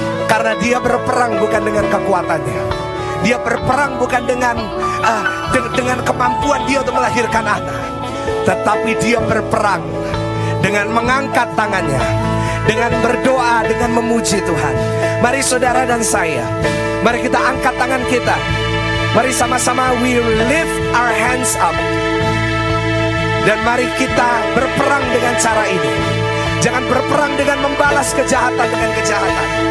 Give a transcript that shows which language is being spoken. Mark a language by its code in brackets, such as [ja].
[id] Karena dia berperang bukan dengan kekuatannya. Dia berperang bukan dengan kemampuan dia untuk melahirkan anak. Tetapi dia berperang dengan mengangkat tangannya, dengan berdoa, dengan memuji Tuhan. Mari saudara dan saya, mari kita angkat tangan kita. Mari sama-sama [en] we lift our hands up. [id] Dan mari kita berperang dengan cara ini. Jangan berperang dengan membalas kejahatan dengan kejahatan.